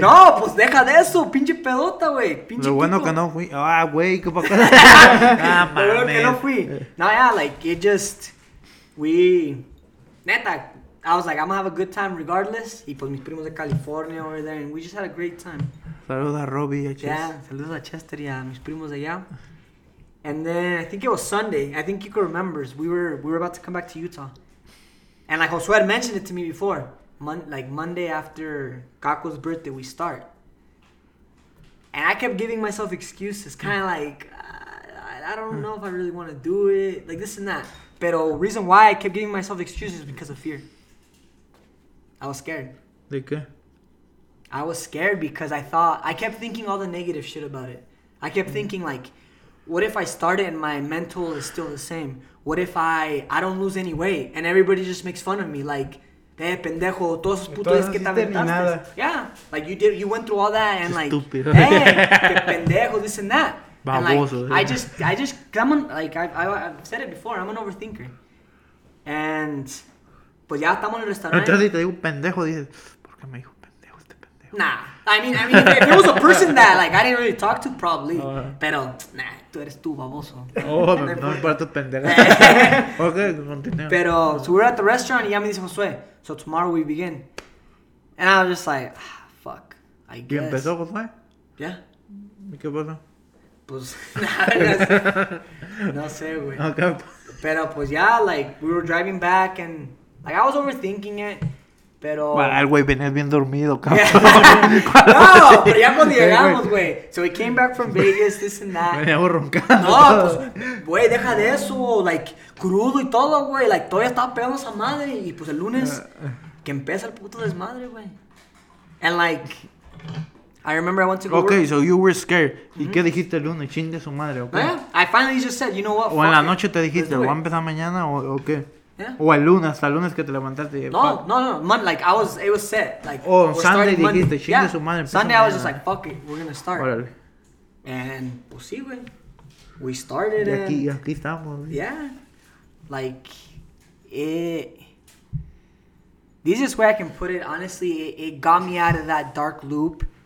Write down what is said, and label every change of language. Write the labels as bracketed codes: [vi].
[es] No, pues deja de eso. Pinche pedota, güey. Pinche lo bueno pico. Que no fui. Ah, güey, qué poco. Lo bueno que no fui. No, [en] yeah, like, it just... We, neta, I was like, I'm gonna have a good time regardless. [es] Y pues mis primos de California [en] over there, and we just had a great time. [es] Saludos a Robbie y a Chester. Yeah, saludos a Chester y a mis primos de allá. [en] And then, I think it was Sunday. I think Kiko remembers. We were about to come back to Utah. And like Josué had mentioned it to me before. Monday after Caco's birthday, we start. And I kept giving myself excuses. Kind of like, I don't know if I really want to do it. Like this and that. But the reason why I kept giving myself excuses is because of fear. I was scared. [es] De qué? [en] I was scared because I thought, I kept thinking all the negative shit about it. I kept thinking like, what if I start it and my mental is still the same? What if I don't lose any weight and everybody just makes fun of me? [es] Like, eh, pendejo, todos esos putos que te aventaste. [en] Yeah, like you went through all that and like, stupid. Hey, [es] que pendejo, [en] this and that. And like, I just, come on, like, I've said it before, I'm an overthinker. [es] And, pues ya estamos en el restaurante. Entonces, te digo pendejo, dices, ¿por qué me dijo pendejo este pendejo? [en] Nah, I mean, if it was a person that, like, I didn't really talk to, probably. [es] Pero, nah, tú eres tú, baboso. Oh, no importa tu pendejo. [en] Okay, continue. Pero, so we're at the restaurant, [es] y ya me dice Josué, [en] so tomorrow we begin. And I was just like, fuck, I guess. [es] ¿Y empezó Josué? [en] Yeah. [es] ¿Y qué pasó? Pues, nada, no sé, güey. [en] Okay. [es] Pero, pues, ya, [en] like, we were driving back, and, like, I was overthinking it, pero... [es] Bueno, el güey venía bien dormido, cabrón. No, pero ya cuando llegamos, güey. [en] So, we came back from Vegas, this and that. [es] Venía borroncando. No, pues, güey, deja de eso, like, crudo y todo, güey. Like, todavía estaba pegando esa madre, y, pues, el lunes, que empieza el puto desmadre, güey. [en] And, like... I remember I went to go okay, work. So you were scared. [es] Mm-hmm. ¿Y qué dijiste el lunes? Chingue su madre, ¿ok? [en] Yeah, I finally just said, you know what, [es] o en la noche te dijiste, ¿va a empezar mañana o qué? [en] Yeah. [es] O el lunes, hasta el lunes que te levantaste. [en] No, it was set. Like, oh, Sunday [es] dijiste, Monday. Chingue yeah. su madre. [en] Sunday [es] mañana. [en] I was just like, fuck it, we're gonna start. [es] Órale. [en] And, [es] pues sí, güey. [en] We started it. [es] Y aquí estamos. Güey. Yeah. [en] Like, the easiest way I can put it, honestly, it got me out of that dark loop.